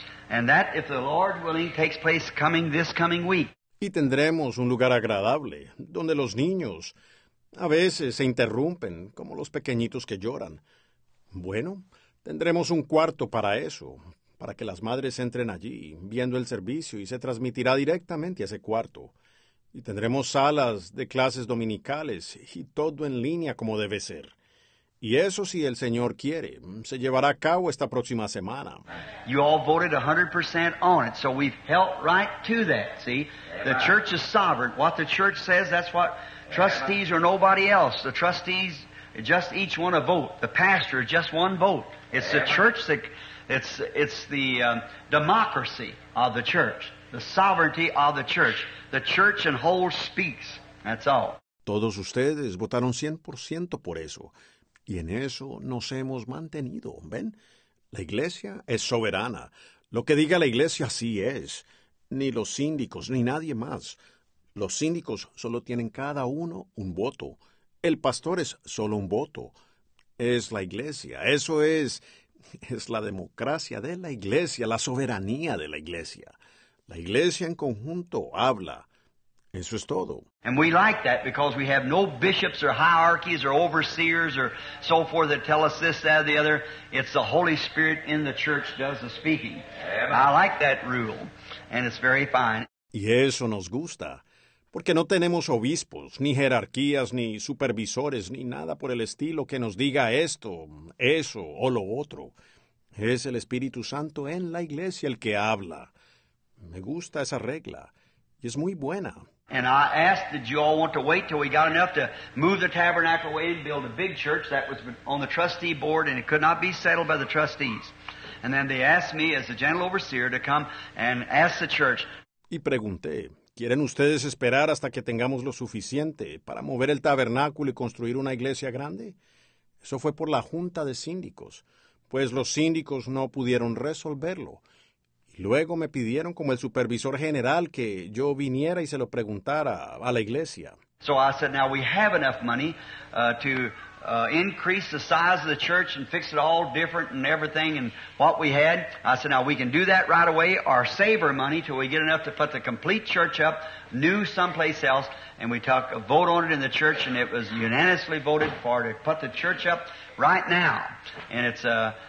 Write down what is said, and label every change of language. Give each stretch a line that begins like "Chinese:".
English: And that, if the Lord willing, takes place coming this coming week.
Spanish: Y tendremos un lugar agradable donde los niños a veces se interrumpen como los pequeñitos que lloran. Bueno, tendremos un cuarto para eso, para que las madres entren allí, viendo el servicio, y se transmitirá directamente a ese cuarto. Y tendremos salas de clases dominicales, y todo en línea como debe ser. Y eso, si el Señor quiere, se llevará a cabo esta próxima semana.
English: You all voted 100% on it, so we've held right to that, see? The church is sovereign. What the church says, that's what trustees or nobody else. The trustees, just each one a vote. The pastor, just one vote. It's the church that... It's the democracy of the church, the sovereignty of the church. The church in whole speaks, that's all.
Spanish: Todos ustedes votaron 100% por eso, y en eso nos hemos mantenido, ¿ven? La iglesia es soberana. Lo que diga la iglesia, así es. Ni los síndicos, ni nadie más. Los síndicos solo tienen cada uno un voto. El pastor es solo un voto. Es la iglesia, eso es... Es la democracia de la iglesia, la soberanía de la iglesia. La iglesia en conjunto habla. Eso es todo.
English: And we like that because we have no bishops or hierarchies or overseers or so forth that tell us this, that, or the other. It's the Holy Spirit in the church does the speaking. Amen. I like that rule, and it's very fine.
Spanish: Y eso nos gusta, porque no tenemos obispos, ni jerarquías, ni supervisores, ni nada por el estilo que nos diga esto, eso o lo otro. Es el Espíritu Santo en la iglesia el que habla. Me gusta esa regla. Y es muy buena.
English: And I asked, did you all want to wait till we got enough to move the tabernacle away and build a big church that was on the trustee board and it could not be settled by the trustees. And then they asked me as the general overseer to come and ask the church.
Spanish: Y pregunté, ¿quieren ustedes esperar hasta que tengamos lo suficiente para mover el tabernáculo y construir una iglesia grande? Eso fue por la junta de síndicos, pues los síndicos no pudieron resolverlo. Luego me pidieron como el supervisor general que yo viniera y se lo preguntara a la iglesia.
English: So I said, now we have enough money to increase the size of the church and fix it all different and everything and what we had. I said, now we can do that right away or save our money till we get enough to put the complete church up, new someplace else. And we took a vote on it in the church and it was unanimously voted for to put the church up right now. And it's a...